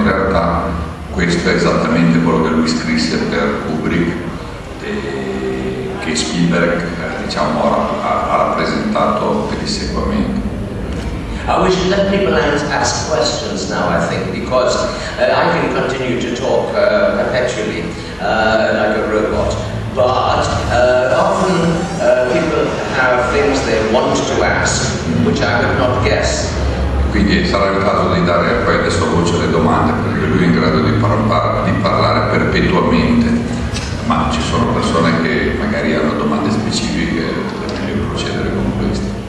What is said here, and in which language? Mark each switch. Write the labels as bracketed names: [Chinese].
[Italian] In realtà questo è esattamente quello che lui scrisse per Kubrick, che Spielberg diciamo ha rappresentato pedissequamente. [English] We should let people ask questions now, I think, because I can continue to talk perpetually like a robot, but often people have things they want to ask, which I would not guess. [Italian] Quindi sarà il caso di dare poi adesso voce alle domande, perché lui è in grado di parlare perpetuamente, ma ci sono persone che magari hanno domande specifiche, è meglio procedere con questo.